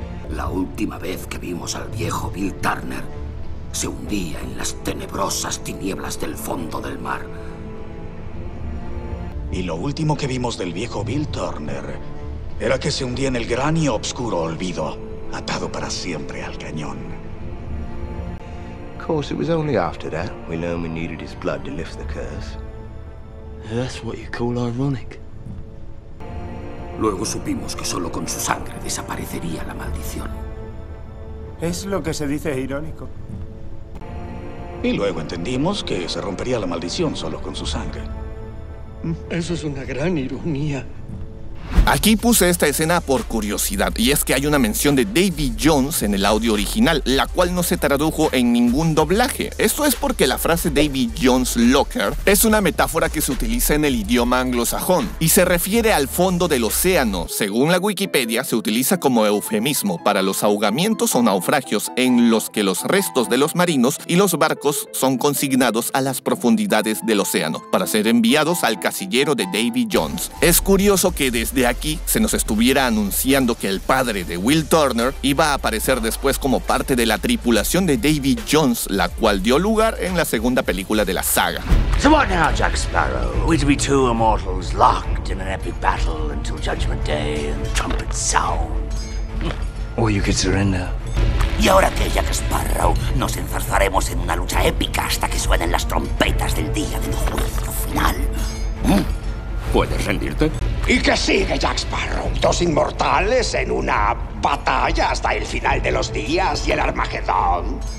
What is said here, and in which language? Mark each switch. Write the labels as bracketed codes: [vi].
[es] La última vez que vimos al viejo Bill Turner, se hundía en las tenebrosas tinieblas del fondo del mar. Y lo último que vimos del viejo Bill Turner era que se hundía en el gran y oscuro olvido, atado para siempre al cañón. [en] Of course, it was only after that we learned we needed his blood to lift the curse. That's what you call ironic. [es] Luego supimos que solo con su sangre desaparecería la maldición. Es lo que se dice irónico. Y luego entendimos que se rompería la maldición solo con su sangre. Eso es una gran ironía. Aquí puse esta escena por curiosidad, y es que hay una mención de Davy Jones en el audio original, la cual no se tradujo en ningún doblaje. Esto es porque la frase Davy Jones Locker es una metáfora que se utiliza en el idioma anglosajón, y se refiere al fondo del océano. Según la Wikipedia, se utiliza como eufemismo para los ahogamientos o naufragios en los que los restos de los marinos y los barcos son consignados a las profundidades del océano, para ser enviados al casillero de Davy Jones. Es curioso que desde aquí se nos estuviera anunciando que el padre de Will Turner iba a aparecer después como parte de la tripulación de Davy Jones, la cual dio lugar en la segunda película de la saga. [en] So what now, Jack Sparrow? We to be two immortals locked in an epic battle until Judgment Day and the trumpet sounds. Or you could surrender. [es] ¿Y ahora qué, Jack Sparrow? Nos enzarzaremos en una lucha épica hasta que suenen las trompetas del día del juicio final. ¿Puedes rendirte? ¿Y qué sigue, Jack Sparrow? ¿Dos inmortales en una batalla hasta el final de los días y el Armagedón?